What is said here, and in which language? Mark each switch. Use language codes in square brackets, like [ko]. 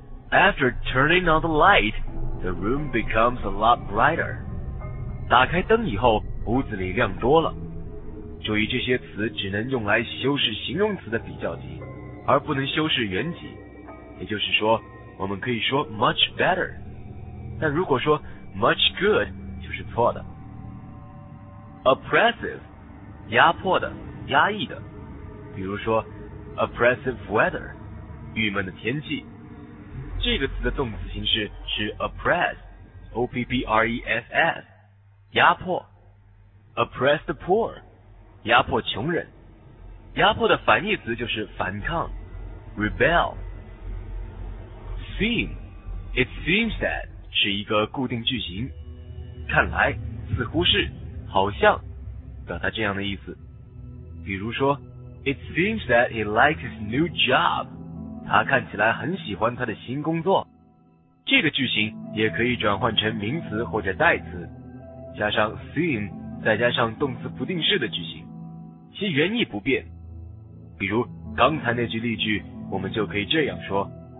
[en] After turning on the light, the room becomes a lot brighter. [zh] 打开灯以后屋子里亮多了。注意这些词只能用来修饰形容词的比较级而不能修饰原级。也就是说我们可以说 [en] much better. [zh] 但如果说 [en] much good, [zh] 就是错的。 [en] Oppressive, [zh] 压迫的压抑的。比如说 [en] oppressive weather, [zh] 郁闷的天气。这个词的动词形式是 oppress, O-P-P-R-E-S-S, 压迫。 [en] Oppress the poor, [zh] 压迫穷人。压迫的反义词就是反抗 [en] rebel. Seem, it seems that, [zh] 是一个固定句型。看来似乎是好像表达这样的意思。比如说 [en] It seems that he likes his new job. [zh] 他看起来很喜欢他的新工作。这个句型也可以转换成名词或者代词，加上 seem, 再加上动词不定式的句型，其原意不变。比如刚才那句例句，我们就可以这样说